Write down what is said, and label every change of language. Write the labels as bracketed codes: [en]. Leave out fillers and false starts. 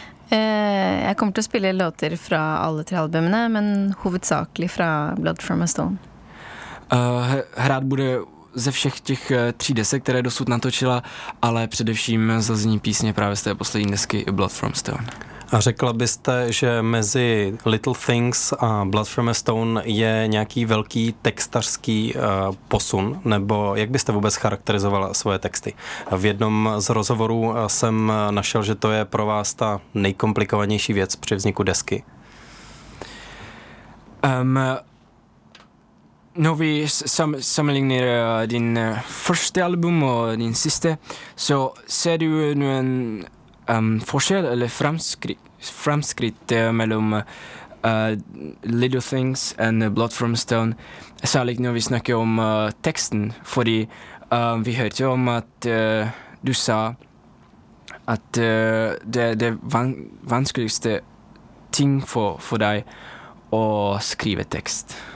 [no] Jeg kommer til å spille låter fra alle tre albumene, men hovedsakelig fra Blood from a Stone. [cs] Hrát bude ze všech těch tří desek, které dosud natočila, ale především zazní písně právě z té poslední desky Blood from Stone. A řekla byste, že mezi Little Things a Blood from a Stone je nějaký velký textařský posun, nebo jak byste vůbec charakterizovala svoje texty? V jednom z rozhovorů jsem našel, že to je pro vás ta nejkomplikovanější věc při vzniku desky. [no] No, vi sammenligner din første album og din siste, så ser du noen forskjell eller framskritt mellom Little Things and Blood from Stone, særlig når vi snakker om teksten, fordi vi hørte om at du sa at det vanskeligste ting for deg å skrive tekst.